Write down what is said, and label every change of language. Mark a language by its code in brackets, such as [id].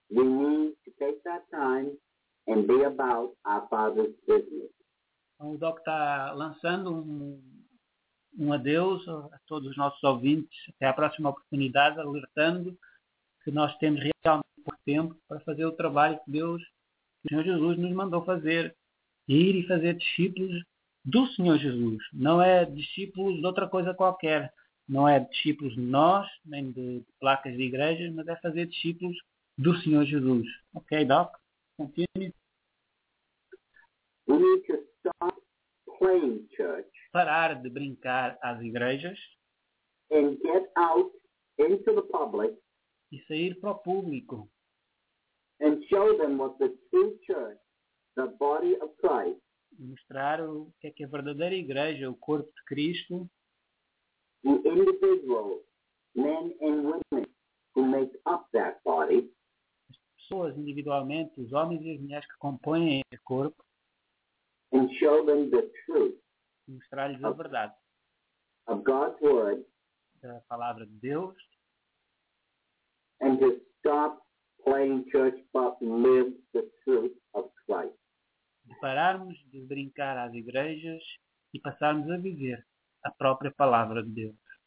[en] We need to take that time and be about our Father's business. [pt] O Doc está lançando um adeus a todos os nossos ouvintes, até à próxima oportunidade, alertando que nós temos realmente pouco tempo para fazer o trabalho que Deus, que o Senhor Jesus nos mandou fazer. Ir e fazer discípulos do Senhor Jesus. Não é discípulos de outra coisa qualquer. Não é discípulos de nós, nem de placas de igrejas, mas é fazer discípulos do Senhor Jesus. Ok, Doc? Continue. [en] We need to stop playing church. [pt] Parar de brincar às igrejas. [en] And get out into the public. [pt] E sair para o público. [en] And show them what the true church, the body of Christ, [pt] mostrar o que é a verdadeira igreja, o corpo de Cristo, [en] the individual men and women who make up that body, [pt] as pessoas individualmente, os homens e as mulheres que compõem o corpo, [en] and show them the truth, [pt] mostrar-lhes a verdade [en] of God's word, [pt] da palavra de Deus, [en] and to stop playing church but live the truth of Christ. [pt] De pararmos de brincar às igrejas e passarmos a viver a própria palavra de Deus.